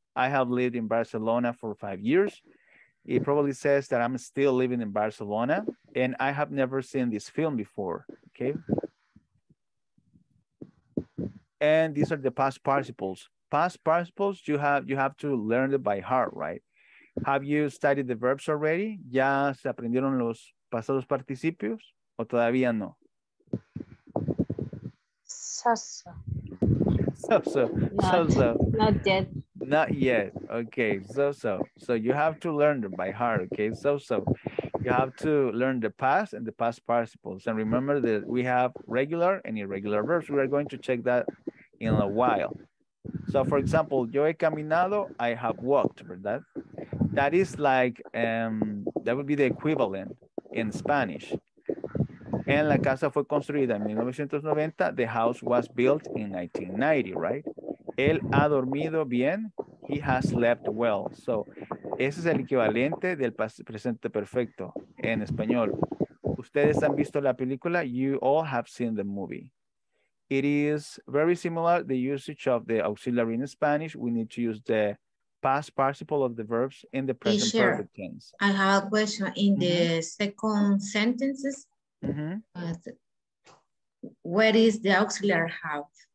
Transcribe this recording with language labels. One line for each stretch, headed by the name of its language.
English: I have lived in Barcelona for 5 years. It probably says that I'm still living in Barcelona and I have never seen this film before, okay? And these are the past participles. Past participles, you have to learn it by heart, right? Have you studied the verbs already?
Spanish: ¿Ya se aprendieron los pasados participios o todavía no?
English: So. Not yet. Not yet. Okay, so. So you have to learn them by heart, okay? So. You have to learn the past and the past participles. And remember that we have regular and irregular verbs. We are going to check that in a while. So for example,
Spanish: yo he caminado,
English: I have walked,
Spanish: ¿verdad?
English: That is like, that would be the equivalent in Spanish.
Spanish: En la casa fue construida en 1990,
English: the house was built in 1990, right?
Spanish: Él ha dormido bien,
English: he has slept well. So
Spanish: ese es el equivalente del presente perfecto en español. Ustedes han visto la película,
English: you all have seen the movie. It is very similar, the usage of the auxiliary in Spanish. We need to use the past participle of the verbs in the present perfect tense. I have a question. In the second sentences, where is the auxiliary have?